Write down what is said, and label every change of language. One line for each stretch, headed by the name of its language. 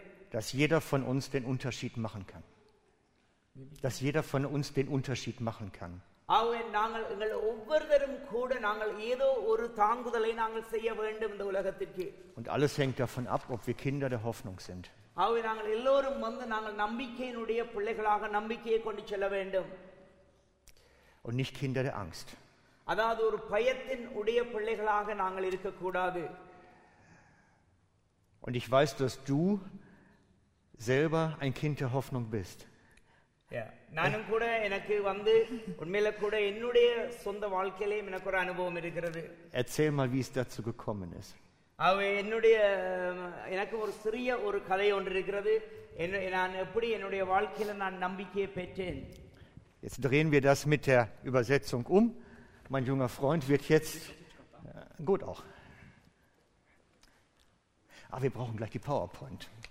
German: Dass jeder von uns den Unterschied machen kann. Dass jeder von uns den Unterschied machen kann.
Tamil: ஆகவே நாங்கள் எங்கள் ஒவ்வொருவரும் கூட நாங்கள் ஏதோ ஒரு தாங்குதலை நாங்கள் செய்ய வேண்டும் இந்த உலகத்திற்கு.
German: Und alles hängt davon ab, ob wir Kinder der Hoffnung sind.
Tamil: ஆகவே நாங்கள் எல்லோரும் வந்து நாங்கள் நம்பிக்கையினுடைய பிள்ளைகளாக நம்பிக்கையை கொண்டு செல்ல வேண்டும்.
German: Und nicht Kinder der Angst.
Tamil: அதாவது ஒரு பயத்தின் உடைய பிள்ளைகளாக நாங்கள் இருக்க கூடாது.
German: Und ich weiß, dass du selber ein Kind der Hoffnung bist.
Tamil: நானும் கூட எனக்கு வந்து உண்மையில கூட என்னுடைய சொந்த வாழ்க்கையிலே எனக்கு ஒரு அனுபவம் இருக்கிறது.
German: Erzähl mal, wie es dazu gekommen ist.
Tamil: அவே என்னுடைய எனக்கு ஒரு சிறிய ஒரு கதை ஒன்று இருக்கிறது. நான் எப்படி என்னுடைய வாழ்க்கையில நான் நம்பிக்கையை பெற்றேன்.
German: Jetzt drehen wir das mit der Übersetzung um. Mein junger Freund wird jetzt gut auch. Aber wir brauchen gleich die PowerPoint.